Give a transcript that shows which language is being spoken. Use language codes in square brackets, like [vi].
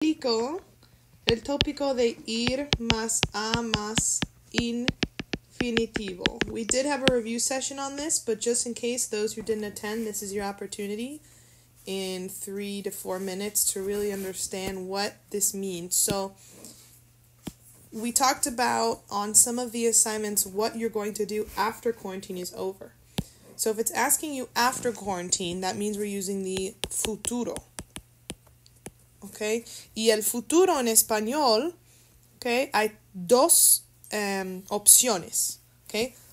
[es] El tópico de ir más a más infinitivo. [en] We did have a review session on this, but just in case those who didn't attend, this is your opportunity in 3 to 4 minutes to really understand what this means. So we talked about on some of the assignments what you're going to do after quarantine is over. So if it's asking you after quarantine, that means we're using the futuro. [es] Okay, y el futuro en español, okay, hay dos opciones, okay?